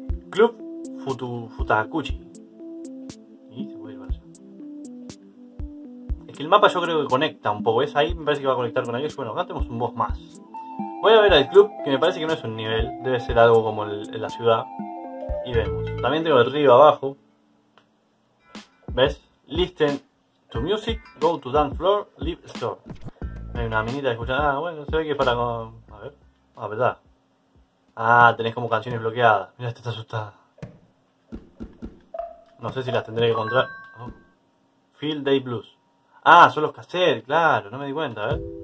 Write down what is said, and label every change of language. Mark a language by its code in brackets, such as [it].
[es] Club Futakuchi. Y se puede ir para allá. Es que el mapa yo creo que conecta un poco. Es ahí, me parece que va a conectar con aquello. Bueno, acá tenemos un boss más. Voy a ver al club, que me parece que no es un nivel. Debe ser algo como en la ciudad. Y vemos. También tengo el río abajo. ¿Ves? [en] Listen to music, go to dance floor, leave store. [es] Hay una minita escuchando. Ah, bueno, se ve que es para con... A ver. Ah, ¿verdad? Ah, tenés como canciones bloqueadas. Mira, esta está asustada. No sé si las tendré que encontrar. Oh. Field Day Blues. Ah, son los cassettes, claro. No me di cuenta, a ver.